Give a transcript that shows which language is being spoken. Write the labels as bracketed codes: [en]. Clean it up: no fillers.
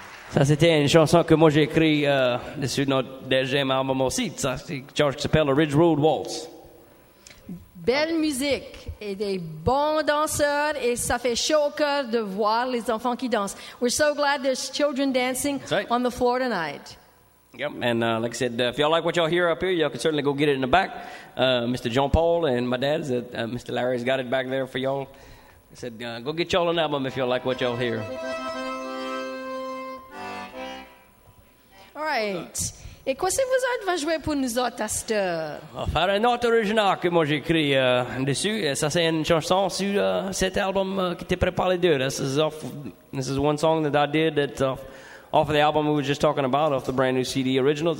[fr] Ça, c'était une chanson que moi j'ai écrite dessus notre deuxième album aussi. Ça, c'est George qui s'appelle The Ridge Road Waltz. Belle musique et des bons danseurs, et ça fait chaud au cœur de voir les enfants qui dansent. [en] We're so glad there's children dancing right on the floor tonight. Yep, and like I said, if y'all like what y'all hear up here, y'all can certainly go get it in the back. Mr. John Paul and my dad, Mr. Larry's got it back there for y'all. I said, go get y'all an album if y'all like what y'all hear. All right. [fr] Et quoi c'est vous autres va jouer pour nous autres à cette heure? On va faire un autre original que moi j'ai écrit dessus. Et ça, c'est une chanson sur cet album qui était préparé d'eux. [en] This is one song that I did that's off of the album we were just talking about, off the brand new CD Originals.